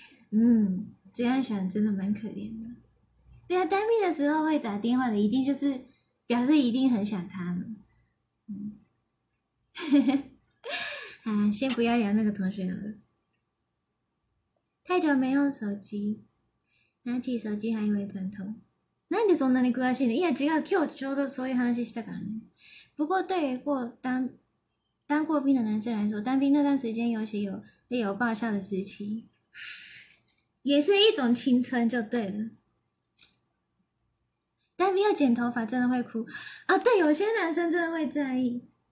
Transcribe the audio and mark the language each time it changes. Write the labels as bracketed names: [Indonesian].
[Chinese] 嗯，这样想真的蛮可怜的。对啊，当兵的时候会打电话的，一定就是表示一定很想他们。嗯，先不要聊那个同学了。太久没用手机，拿起手机还以为枕头。 [Japanese] なんでそんなに詳しいの？いや違う、今日ちょうどそういう話したからね。 [Chinese] 不过对于过当过兵的男生来说，当兵那段时间尤其有爆笑的时期，也是一种青春就对了。当兵要剪头发真的会哭啊？对，有些男生真的会在意。